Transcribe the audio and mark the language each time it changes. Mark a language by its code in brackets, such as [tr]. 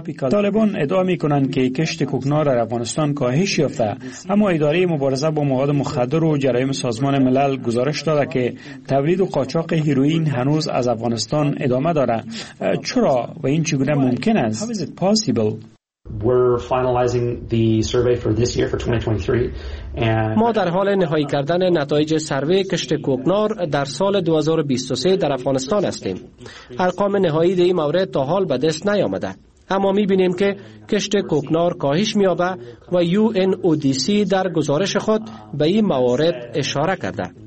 [fa] طالبان ادعا می کنند که کشت کوکنار در افغانستان کاهش یافته، اما اداره مبارزه با مواد مخدر و جرایم سازمان ملل گزارش داده که تولید و قاچاق هیروئین هنوز از افغانستان ادامه دارد. چرا و این چگونه ممکن است؟ [en] How is it possible? We're finalizing the survey for this year, for 2023. [fa] ما در حال نهایی کردن نتایج سروی کشت کوکنار در سال 2023 در افغانستان هستیم. ارقام نهایی در این مورد تا حال به دست نیامده. اما می بینیم که کشت کوکنار کاهش می‌یابد و UNODC در گزارش خود به این موارد اشاره کرده.